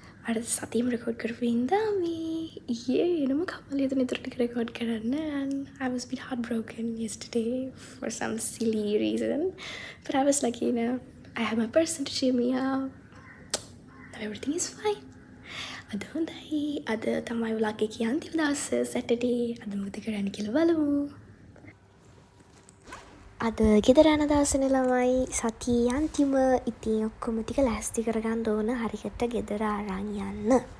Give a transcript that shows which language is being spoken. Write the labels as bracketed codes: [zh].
[si] අර සතියම රෙකෝඩ් කරපු හින්දා මේ එනම කම්මලි එතන ඉතුරු ටික රෙකෝඩ් කරන්න. [en] And I was a bit heartbroken yesterday for some silly reason. But I was like, you know, I have my person to cheer me up. Everything is fine. [si] අද හොඳයි. අද තමයි vlog එකේ අන්තිම දවස, Saturday. අද මොකද කරන්නේ කියලා බලමු. අද ගෙදර යන දවසේ ළමයි සතිය අන්තිම. ඉතින් ඔක්කොම ටික ලෑස්ති කරගන්න ඕන හරියට ගෙදර aran යන්න.